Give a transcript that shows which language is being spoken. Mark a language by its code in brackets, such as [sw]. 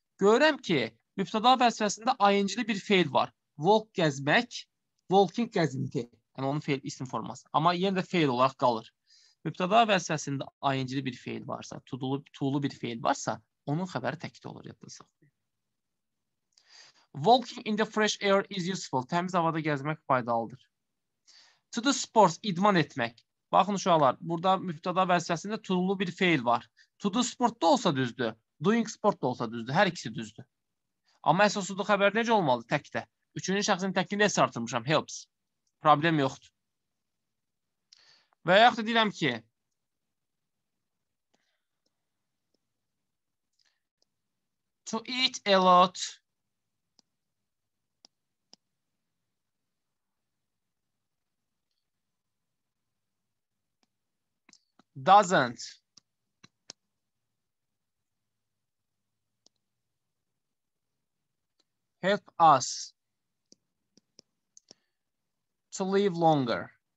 [az] Görürəm ki, mübtəda vəzifəsində ayıncılı bir feil var. Walk gəzmək, walking gəzinti. Yəni onun feil isim forması. Amma yenə də feil olaraq qalır. Mübtəda vəzifəsində ayıncılı bir feil varsa, tuğlu bir feil varsa onun xəbəri təkdə olur, yadda saxlayın. [en] Walking in the fresh air is useful. [az] Təmiz havada gəzmək faydalıdır. To do sports, idman etmək. Baxın uşaqlar, burada mübtəda vəzifəsində tuğlu bir feil var. To do sport da olsa düzdür, doing sport da olsa düzdür, hər ikisi düzdür. Amma əsasudur xəbər necə olmalı təkdə? Üçüncü şəxsin təkdə necə artırmışam? Helps. Problem yoxdur. Və yaxud da deyirəm ki, [en] to eat a lot doesn't help us to live longer.